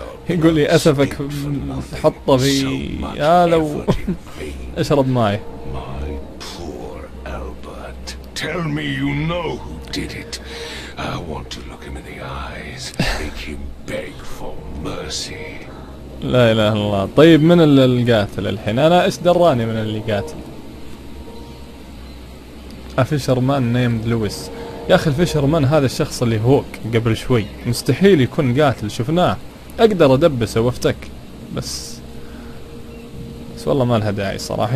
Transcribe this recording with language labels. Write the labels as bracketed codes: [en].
[ar] يقول لي أسفك حطه في يا لو اشرب ماي. [en] My poor Albert. Tell me you know who did it. I want to look him in the eyes, make him beg for mercy. [ar] لا إله إلا الله. طيب من القاتل الحين؟ أنا إيش دراني من اللي قاتل؟ أفيشرمان نيمد لويس. يا أخي الفيشرمان هذا الشخص اللي هوك قبل شوي مستحيل يكون قاتل، شفناه. أقدر أدبسه وأفتك، بس والله ما لها داعي صراحة.